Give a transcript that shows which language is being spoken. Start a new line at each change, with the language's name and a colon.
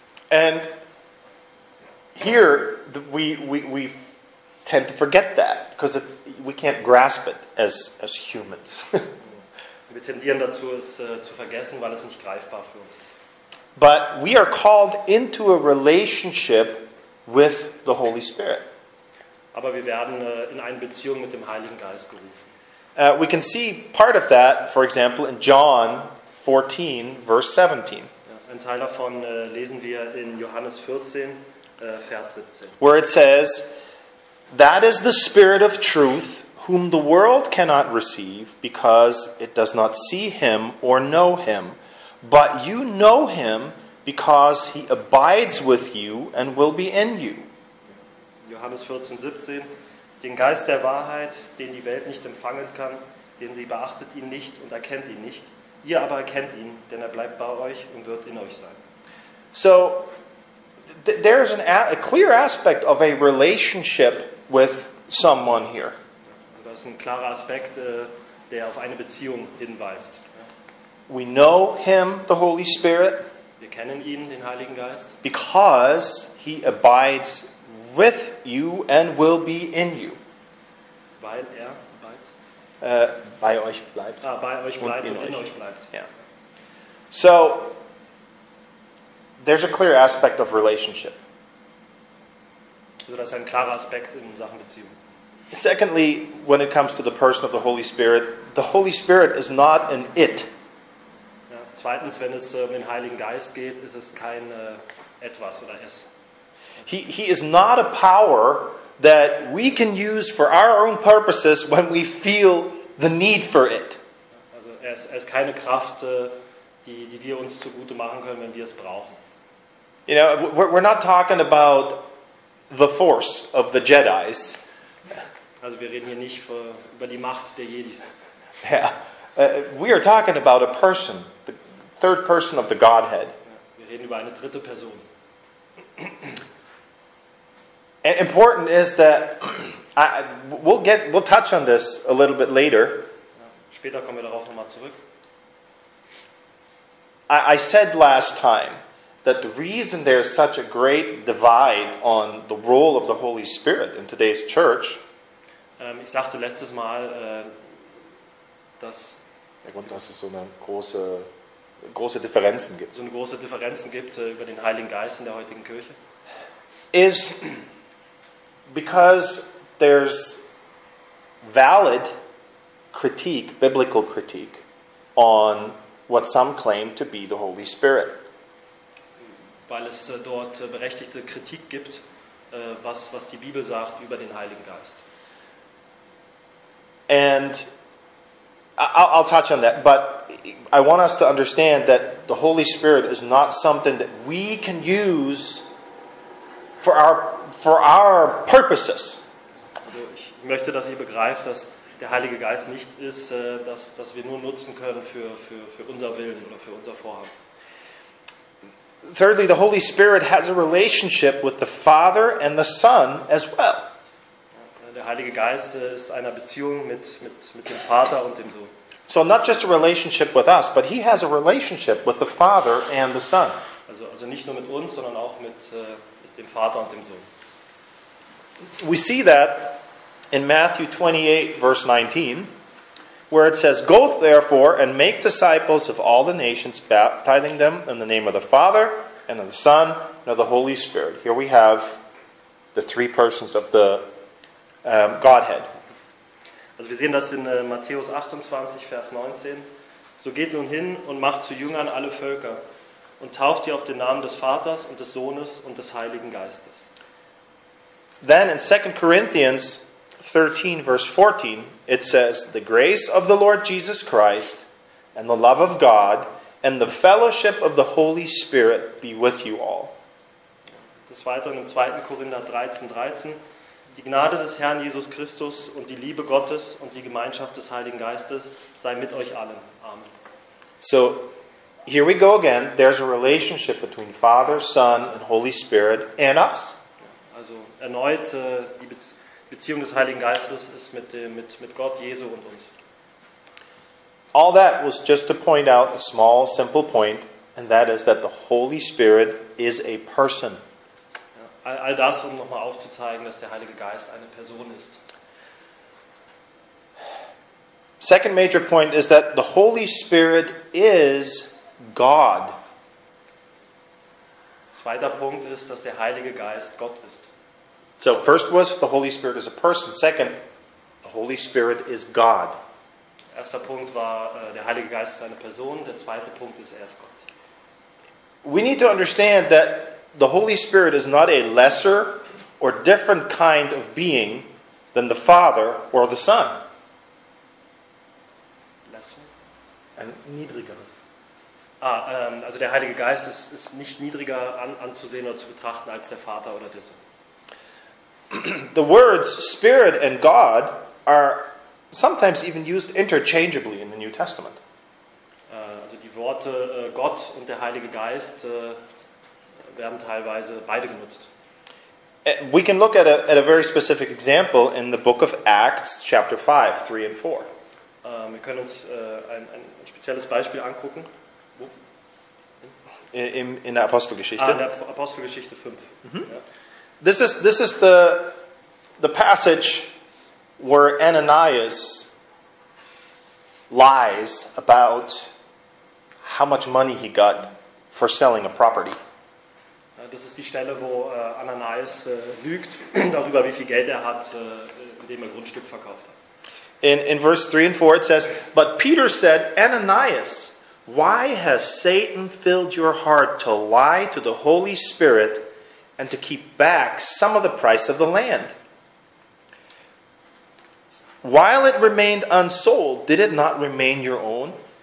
English: And here we tend to forget that because we can't grasp it as humans.
German: Wir tendieren dazu, es zu vergessen, weil es nicht greifbar für uns ist.
English: But we are called into a relationship with the Holy Spirit.
German: Aber wir werden in eine Beziehung mit dem Heiligen Geist gerufen.
English: We can see part of that, for example, in John 14, verse 17.
German: Ja, ein Teil davon lesen wir in Johannes 14, Vers 17.
English: Where it says, that is the Spirit of truth, whom the world cannot receive, because it does not see him or know him. But you know him, because he abides with you and will be in you.
German: Johannes 14, 17, den Geist der Wahrheit, den die Welt nicht empfangen kann, den sie beachtet ihn nicht und erkennt ihn nicht. Ihr aber erkennt ihn, denn er bleibt bei euch und wird in euch sein.
English: So, there's a clear aspect of a relationship with someone here.
German: Das ist ein klarer Aspekt, der auf eine Beziehung hinweist.
English: We know him, the Holy Spirit.
German: Wir kennen ihn, den Heiligen Geist.
English: Because he abides with you and will be in you.
German: Weil er
English: abides.
German: Bei euch bleibt. Ah, bei euch bleibt und in euch bleibt.
English: Yeah. So, there's a clear aspect of relationship.
German: Also das ist ein klarer Aspekt in Sachen Beziehung.
English: Secondly, when it comes to the person of the Holy Spirit is not an it.
German: Ja, zweitens, wenn es um den Heiligen Geist geht, ist es kein etwas oder es.
English: He is not a power that we can use for our own purposes when we feel the need for it.
German: Also er ist keine Kraft, die wir uns zugute machen können, wenn wir es brauchen.
English: You know, we're not talking about the force of the Jedis.
German: Also wir reden hier nicht über die Macht der Jedi.
English: Yeah. We are talking about a person, the third person of the Godhead.
German: Ja, wir reden über eine dritte Person.
English: And important is that we'll touch on this a little bit later.
German: Ja, später kommen wir darauf nochmal zurück.
English: I said last time that the reason there is such a great divide on the role of the Holy Spirit in today's church.
German: Ich sagte letztes Mal, dass. Ja, gut, dass es so eine große Differenzen gibt. So eine große Differenzen gibt über den Heiligen Geist in der heutigen Kirche.
English: Is because there's valid critique, biblical critique, on what some claim to be the Holy Spirit.
German: Weil es dort berechtigte Kritik gibt, was die Bibel sagt über den Heiligen Geist.
English: And I'll touch on that, but I want us to understand that the Holy Spirit is not something that we can use for our purposes.
German: Also ich möchte, dass ihr begreift, dass der Heilige Geist nichts ist, das wir nur nutzen können für unser Willen oder für unser Vorhaben.
English: Thirdly, the Holy Spirit has a relationship with the Father and the Son as well.
German: Der Heilige Geist ist einer Beziehung mit dem Vater und dem Sohn.
English: So not just a relationship with us, but he has a relationship with the Father and the Son.
German: Also nicht nur mit uns, sondern auch mit dem Vater und dem Sohn.
English: We see that in Matthew 28, verse 19, where it says, "Go therefore and make disciples of all the nations, baptizing them in the name of the Father and of the Son and of the Holy Spirit." Here we have the three persons of the Godhead.
German: Also wir sehen das in Matthäus 28, Vers 19. So geht nun hin und macht zu Jüngern alle Völker und tauft sie auf den Namen des Vaters und des Sohnes und des Heiligen Geistes.
English: Then in 2 Corinthians 13, verse 14, it says, "The grace of the Lord Jesus Christ and the love of God and the fellowship of the Holy Spirit be with you all."
German: Des Weiteren im 2. Korinther 13, 13, "Die Gnade des Herrn Jesus Christus und die Liebe Gottes und die Gemeinschaft des Heiligen Geistes sei mit euch allen. Amen."
English: So, here we go again. There's a relationship between Father, Son and Holy Spirit and us.
German: Also erneut, die Beziehung des Heiligen Geistes ist mit Gott, Jesu und uns.
English: All that was just to point out a small, simple point, and that is that the Holy Spirit is a person.
German: All das, um nochmal aufzuzeigen, dass der Heilige Geist eine Person ist.
English: Second major point is that the Holy Spirit is God.
German: Zweiter Punkt ist, dass der Heilige Geist Gott ist.
English: So first was the Holy Spirit is a person. Second, the Holy Spirit is God.
German: Erster Punkt war, der Heilige Geist ist eine Person. Der zweite Punkt ist, er ist Gott.
English: We need to understand that the Holy Spirit is not a lesser or different kind of being than the Father or the Son. Lesser?
German: Ein niedrigeres. Ah, also der Heilige Geist ist nicht niedriger anzusehen oder zu betrachten als der Vater oder der Sohn.
English: The words Spirit and God are sometimes even used interchangeably in the New Testament.
German: Also die Worte Gott und der Heilige Geist werden teilweise beide genutzt.
English: We can look at a very specific example in the book of Acts, chapter 5, 3 and 4.
German: Wir können uns ein spezielles Beispiel angucken. Wo? In der Apostelgeschichte. In der Apostelgeschichte 5. Mm-hmm. Ja.
English: This is the passage where Ananias lies about how much money he got for selling a property.
German: Das ist die Stelle, wo Ananias lügt darüber, wie viel Geld er hat, indem er Grundstück verkauft hat.
English: In verse 3 and 4 it says, but Peter said, Ananias, why has Satan filled your heart to lie to the Holy Spirit and to keep back some of the price of the land? While it remained unsold, did it not remain your own?